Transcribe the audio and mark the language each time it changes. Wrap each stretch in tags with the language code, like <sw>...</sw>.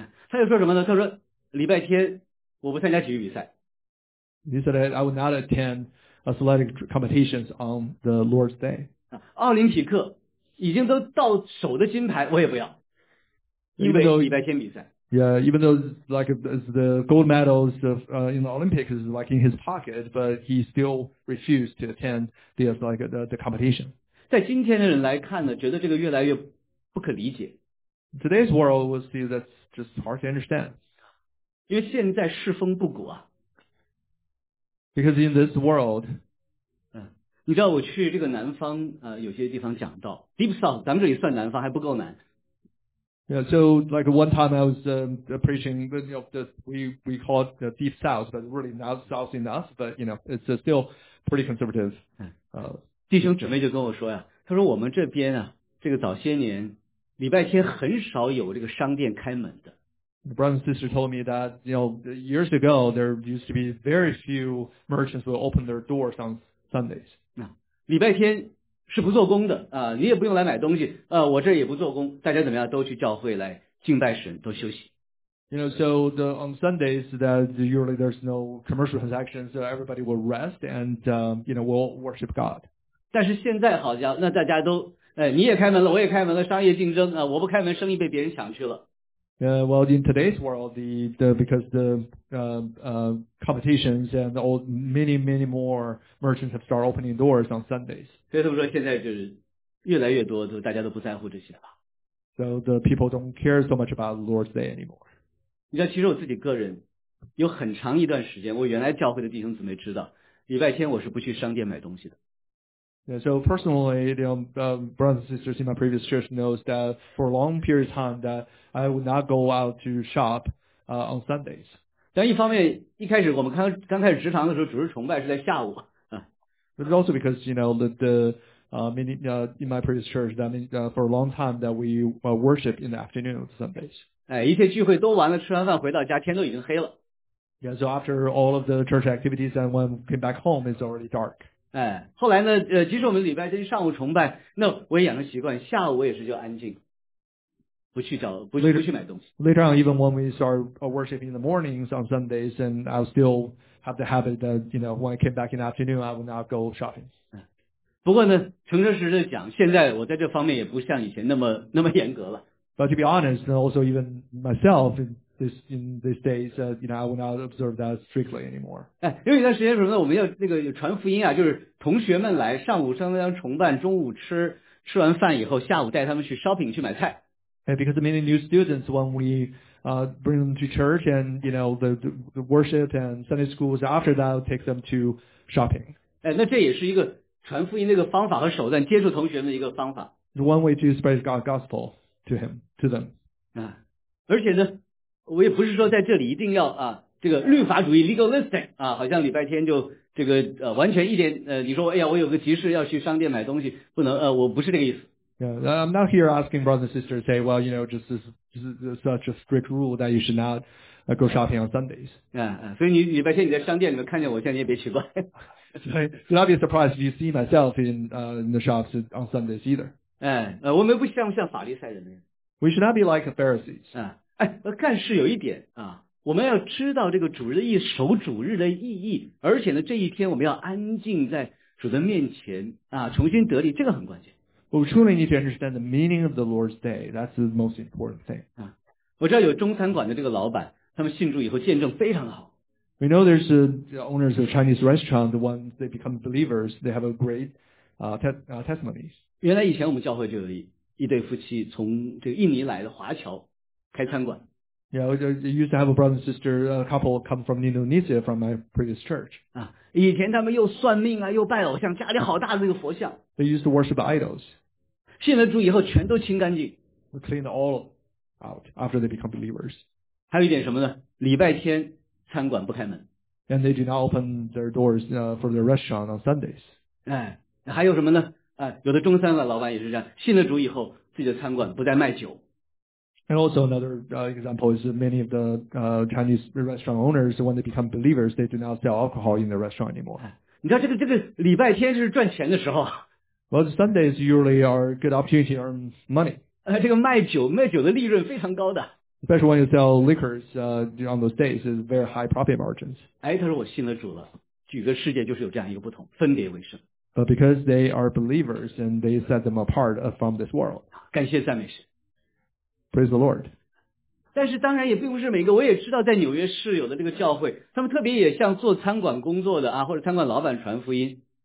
<zh>他就说什么呢？他说礼拜天我不参加体育比赛。</zh> <en>He said I would not attend athletic competitions on the Lord's Day.</en> <zh>奥林匹克已经都到手的金牌我也不要，因为礼拜天比赛。</zh> <en>Yeah, even though like the gold medals of, in the Olympics is like in his pocket, but he still refused to attend the, like, the competition.</en> <zh>在今天的人来看呢，觉得这个越来越不可理解。</zh> <en>Today's world will see that's just hard to understand.</en> <zh>因为现在世风不古啊。</zh> <en>Because in this world,</en> <zh>你知道我去这个南方，有些地方讲到 Deep South, 咱们这里算南方还不够南。</zh> <en>Yeah, so like one time I was preaching, you know, we call it the Deep South, but really not South enough, but you know, it's still pretty conservative.</en> <zh>弟兄姊妹就跟我说呀，他说我们这边啊，这个早些年礼拜天很少有这个商店开门的。</zh> <en>The brother and sister told me that, you know, years ago there used to be very few merchants who open their doors on Sundays.</en> <zh>礼拜天是不做工的啊，你也不用来买东西，我这也不做工，大家怎么样都去教会来敬拜神，都休息。</zh> <en>You know, so the on Sundays that usually there's no commercial transactions, so everybody will rest and you know will worship God.</en> <zh>但是现在好像那大家都，你也开门了，我也开门了，商业竞争啊，我不开门，生意被别人抢去了。</zh> <en>Well, in today's world, the because the competitions and the old many more merchants have started opening doors on Sundays.</en> <zh>所以他们说现在就是越来越多，都大家都不在乎这些了。</zh> <en>So the people don't care so much about Lord's Day anymore.</en> <zh>你知道，其实我自己个人有很长一段时间，我原来教会的弟兄姊妹知道，礼拜天我是不去商店买东西的。</zh> <en>Yeah, so personally, you know, brothers and sisters in my previous church knows that for a long period of time that I would not go out to shop on Sundays.</en> <zh>但一方面，一开始我们刚开始职堂的时候，主日崇拜是在下午。</zh> <en>But also because, you know, in my previous church, that means, for a long time that we, worship in the afternoon on Sundays.</en> <zh>一切聚会都完了，吃完饭回到家，天都已经黑了。</zh> <en>Yeah, so after all of the church activities and when we came back home, it's already dark.</en> <zh>后来呢，即使我们礼拜天上午崇拜，那我也养成习惯，下午我也是就安静。</zh> <en>Later on, even when we start worshiping in the mornings on Sundays, and I'll still have the habit that, you know, when I came back in the afternoon, I will not go shopping.</en> <zh>不过呢，诚诚实实的讲，现在我在这方面也不像以前那么严格了。</zh> <en>But to be honest, and also even myself in these days, you know, I will not observe that strictly anymore.</en> <zh>哎，因为那段时间什么呢？我们要那个传福音啊，就是同学们来上午上香崇拜，中午吃完饭以后，下午带他们去 shopping 去买菜。</zh> <en>And because many new students, when we bring them to church and you know the worship and Sunday schools after that, we'll take them to shopping.</en> <zh>哎，那这也是一个传福音的一个方法和手段，接触同学们的一个方法。</zh> <en>One way to spread God's gospel to them.</en> <zh>啊，而且呢，我也不是说在这里一定要啊，这个律法主义 legalistic 啊，好像礼拜天就这个完全一点你说哎呀，我有个急事要去商店买东西，不能我不是这个意思。</zh> <en>Yeah, I'm not here asking brothers and sisters to say, well, you know, just such a strict rule that you should not go shopping on Sundays.</en> <zh>Yeah, 所以你礼拜天你在商店里面看见我，现在也别奇怪。</zh> <en>So I'd be surprised if you see myself in the shops on Sundays either.</en> <zh>哎，我们不像法利赛人那样。</zh> <en>We should not be like Pharisees.</en> <zh>哎，但是有一点啊，我们要知道这个主日的意义，守主日的意义，而且呢，这一天我们要安静在主的面前啊，重新得力，这个很关键。</zh> <en>But we truly need to understand the meaning of the Lord's Day. That's the most important thing.</en> <zh>啊，我知道有中餐馆的这个老板，他们信主以后见证非常好。</zh> <en>We know there's the owners of Chinese restaurant, the ones they become believers, they have a great testimony.</en> <zh>原来以前我们教会就有一对夫妻从这个印尼来的华侨开餐馆。</zh> <en>Yeah, they used to have a brother and sister, a couple come from Indonesia from my previous church.</en> <zh>啊，以前他们又算命啊，又拜偶像，家里好大的一个佛像。</zh> <en>They used to worship idols.</en> <zh>信了主以后全都清干净。</zh> <en>We cleaned all out after they become believers.</en> <zh>还有一点什么呢？礼拜天餐馆不开门。</zh> <en>And they do not open their doors for their restaurant on Sundays.</en> <zh>哎，还有什么呢？哎，有的中餐馆老板也是这样，信了主以后自己的餐馆不再卖酒。</zh> <en>And also another example is many of the Chinese restaurant owners, when they become believers, they do not sell alcohol in the restaurant anymore.</en> <zh>你知道这个礼拜天是赚钱的时候。</zh> <en>Well, Sundays usually are good opportunity to earn money.</en> <zh>这个卖酒的利润非常高的。</zh> <en>Especially when you sell liquors on those days, it's very high profit margins.</en> <zh>哎，他说我信了主了，举个世界就是有这样一个不同，分别为圣。</zh> <en>But because they are believers and they set them apart from this world.</en> <zh>感谢赞美神。</zh> <en>Praise the Lord.</en> <zh>但是当然也并不是每个，我也知道在纽约市有的这个教会，他们特别也像做餐馆工作的啊，或者餐馆老板传福音。</zh>